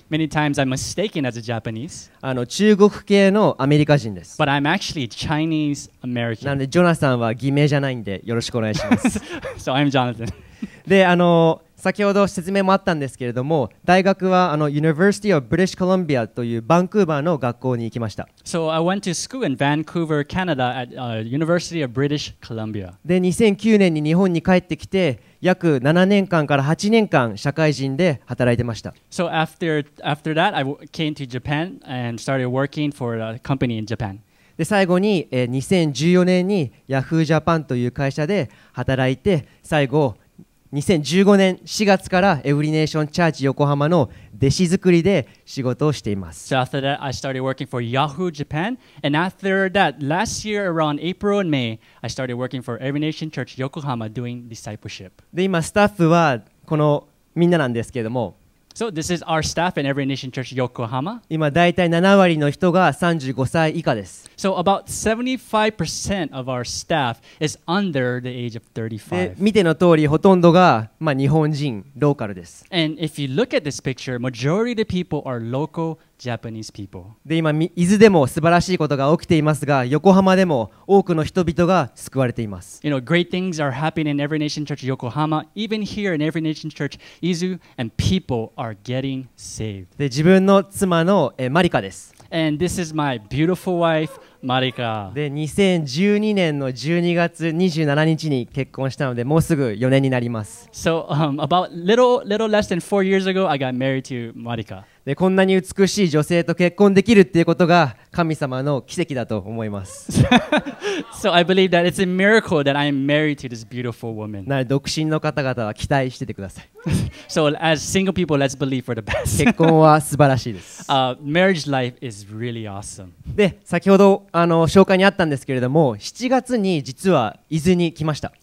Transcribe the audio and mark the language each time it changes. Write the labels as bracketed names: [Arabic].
[English] Many times I'm mistaken as a Japanese. [Japanese] あの中国系のアメリカ人です。 [English] But I'm actually Chinese American. [Japanese] なんでジョナサンは偽名じゃないんでよろしくお願いします。 [English] So I'm Jonathan. [Japanese] で、先ほど説明もあったんですけれども、大学はあの University of British Columbia というバンクーバーの学校に行きました。 [English] So I went to school in Vancouver, Canada at University of British Columbia. [Japanese] で、2009年に日本に帰ってきて、約7年間から8年間社会人で働いてました。 [English] So after that, I came to Japan and started working for a company in Japan. [Japanese] で最後に2014年に Yahoo Japan という会社で働いて、最後2015年4月からEvery Nation Church横浜の弟子作りで仕事をしています。 [English] So after that, I started working for Yahoo Japan. And after that, last year around April and May, I started working for Every Nation Church Yokohama doing discipleship. [Japanese] で今スタッフはこのみんななんですけれども。 [English] So this is our staff in Every Nation Church Yokohama. [Japanese] 今だいたい7割の人が35歳以下です。 [English] So about 75% of our staff is under the age of 35. [Japanese] で見ての通りほとんどが、まあ、日本人ローカルです。 [English] And if you look at this picture, majority of the people are local Japanese people. [Japanese] で今伊豆でも素晴らしいことが起きていますが、横浜でも多くの人々が救われています。 [English] You know, great things are happening in Every Nation Church Yokohama, even here in Every Nation Church Izu, and people are getting saved. [Japanese] で自分の妻のマリカです。 [English] And this is my beautiful wife, [Japanese] マリカ。で、2012年の12月27日に結婚したので、もうすぐ4年になります。 [English] So, about little less than 4 years ago, I got married to Marika. [Japanese] で、こんなに美しい女性と結婚できるっていうことが神様の奇跡だと思います。 [English] So, I believe that it's a miracle that I'm married to this beautiful woman. [Japanese] なので、独身の方々は期待しててください。 [English] So, as single people, let's believe for the best. [Japanese] 結婚は素晴らしいです。 [English] Marriage life is really awesome. [Japanese] で、先ほど紹介にあったんですけれども、7月に実は伊豆に来ました。